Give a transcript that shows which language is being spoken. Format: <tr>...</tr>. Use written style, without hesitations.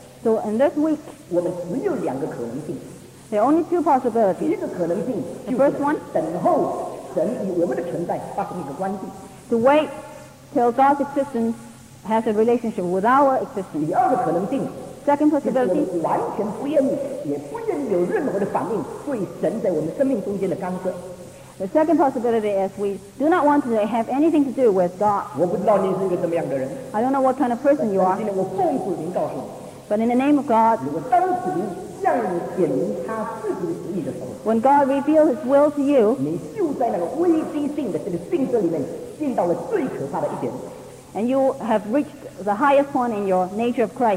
<en>So in this week, there are only two possibilities. The first one, to wait till God's existence has a relationship with our existence. Second possibility.</en> <zh>完全不愿意，也不愿意有任何的反应对神在我们生命中间的干涉。</zh> <en>The second possibility is we do not want to have anything to do with God.</en> <zh>我不知道你是一个怎么样的人。</zh> <en>I don't know what kind of person you are.</en> <zh>但今天我奉主名告诉你。</zh> <en>But in the name of God,</en> <zh>如果当时您向你显明他自己的旨意的时候，</zh> <en>when God revealed His will to you,</en> <zh>你就在那个危机性的这个性格里面进到了最可怕的一点。</zh> <en>And you have reached the highest point in your nature of Christ.</en>